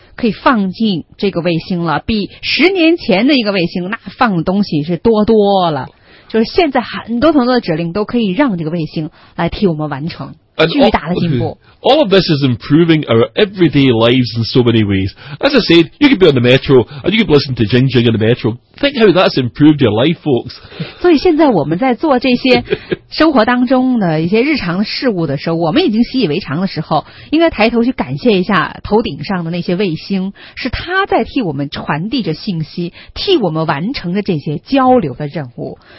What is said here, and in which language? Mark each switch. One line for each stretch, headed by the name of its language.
Chinese: 可以放进这个卫星了，比十年前的一个卫星那放的东西是多多了，就是现在很多很多的指令都可以让这个卫星来替我们完成。
English: All of this is improving our everyday lives in so many ways. As I said, you could be on the metro and you could listen to Jing Jing in the metro. Think how that's improved your life, folks.
Chinese: 所以现在我们在做这些生活当中的一些日常事物的时候，我们已经习以为常的时候，应该抬头去感谢一下头顶上的那些卫星，是它在替我们传递着信息，替我们完成着这些交流的任务。